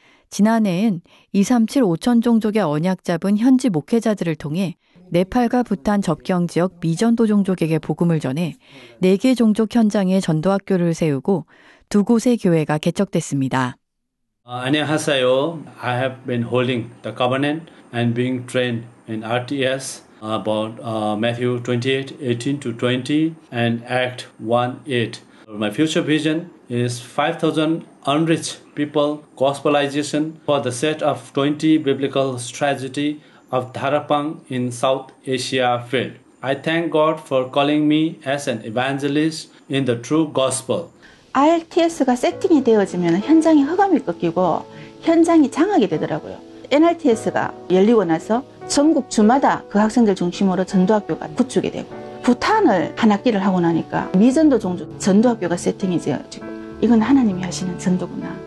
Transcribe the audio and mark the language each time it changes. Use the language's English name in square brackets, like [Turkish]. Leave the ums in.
[Korean] 지난해엔 237 5천종족의 언약 잡은 현지 목회자들을 통해 네팔과 부탄 접경 지역 미전도 종족에게 복음을 전해 네 개 종족 현장에 전도학교를 세우고 두 곳의 교회가 개척됐습니다. 안녕하세요. [English] I have been holding the covenant and being trained in RTS about Matthew 28:18 to 20 and Act 1:8. My future vision is 5,000 unrich people gospelization for the set of 20 biblical strategy of Dharapang in South Asia field. I thank God for calling me as an evangelist in the true gospel. [Korean] RTS가 세팅이 되어지면 현장이 흑암이 꺾이고 현장이 장하게 되더라고요. NRTS가 열리고 나서 전국 주마다 그 학생들 중심으로 전도학교가 구축이 되고 부탄을 한 학기를 하고 나니까 미전도 종주 전도학교가 세팅이 되어지고 이건 하나님이 하시는 전도구나.